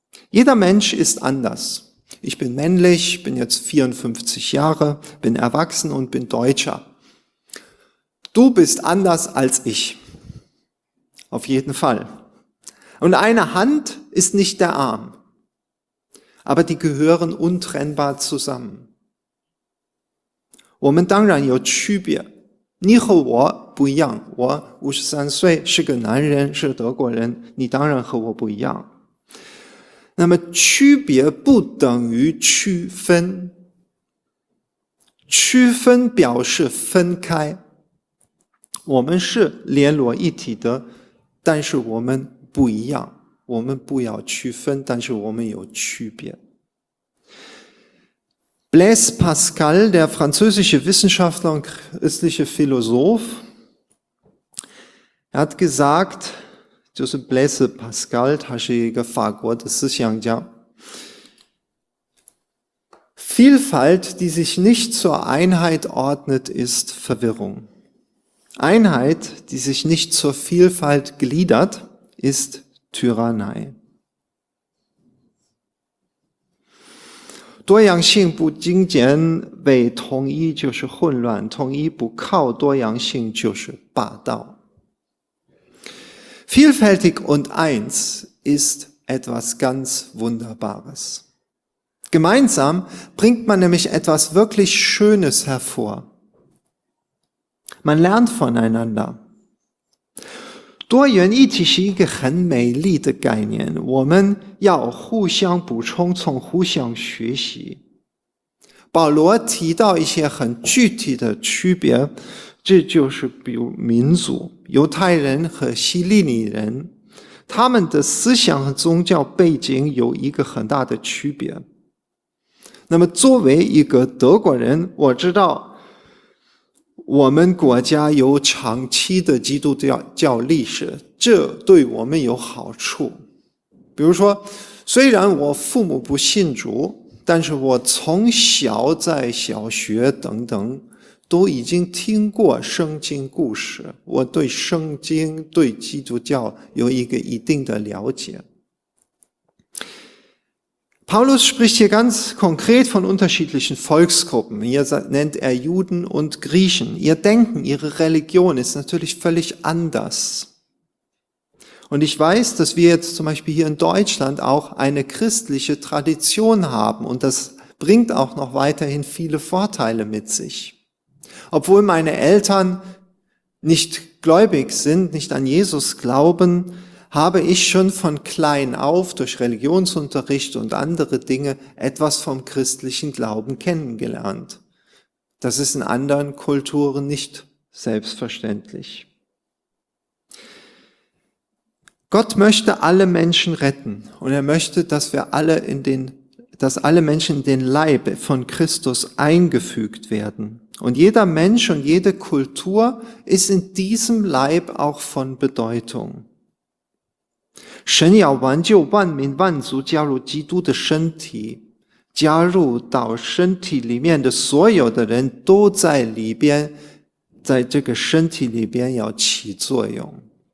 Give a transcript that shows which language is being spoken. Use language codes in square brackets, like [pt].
[de] Jeder Mensch ist anders. Ich bin männlich, bin jetzt 54 Jahre, bin erwachsen und bin Deutscher. Du bist anders als ich. Auf jeden Fall. Und eine Hand ist nicht der Arm. Aber die gehören untrennbar zusammen. [zh] 我们当然有区别。你和我不一样，我53岁，是个男人，是德国人，你当然和我不一样。那么区别不等于区分，区分表示分开，我们是联络一体的，但是我们不一样，我们不要区分，但是我们有区别。 [de] Blaise Pascal, der französische Wissenschaftler und christliche Philosoph, er hat gesagt, Joseph Blaise Pascal, [zh] 他是一个法国的思想家, [de] Vielfalt, die sich nicht zur Einheit ordnet, ist Verwirrung. Einheit, die sich nicht zur Vielfalt gliedert, ist Tyrannei. [zh] 多样性不精简为统一就是混乱，统一不靠多样性就是霸道。 [de] Vielfältig und eins ist etwas ganz Wunderbares. Gemeinsam bringt man nämlich etwas wirklich Schönes hervor. Man lernt voneinander. [zh] 多元一体是一个很美丽的概念，我们要互相补充，从互相学习。保罗提到一些很具体的区别，这就是比如民族，犹太人和希利尼人，他们的思想和宗教背景有一个很大的区别。那么作为一个德国人，我知道我们国家有长期的基督教历史，这对我们有好处。比如说，虽然我父母不信主，但是我从小在小学等等都已经听过圣经故事，我对圣经、对基督教有一个一定的了解。 [de] Paulus spricht hier ganz konkret von unterschiedlichen Volksgruppen. Hier nennt er Juden und Griechen. Ihr Denken, ihre Religion ist natürlich völlig anders. Und ich weiß, dass wir jetzt zum Beispiel hier in Deutschland auch eine christliche Tradition haben und das bringt auch noch weiterhin viele Vorteile mit sich. Obwohl meine Eltern nicht gläubig sind, nicht an Jesus glauben, habe ich schon von klein auf durch Religionsunterricht und andere Dinge etwas vom christlichen Glauben kennengelernt. Das ist in anderen Kulturen nicht selbstverständlich. Gott möchte alle Menschen retten und er möchte, dass alle Menschen in den Leib von Christus eingefügt werden. Und jeder Mensch und jede Kultur ist in diesem Leib auch von Bedeutung. [zh] 神要挽救万民万族加入基督的身体，加入到身体里面的所有的人都在里边，在这个身体里边要起作用。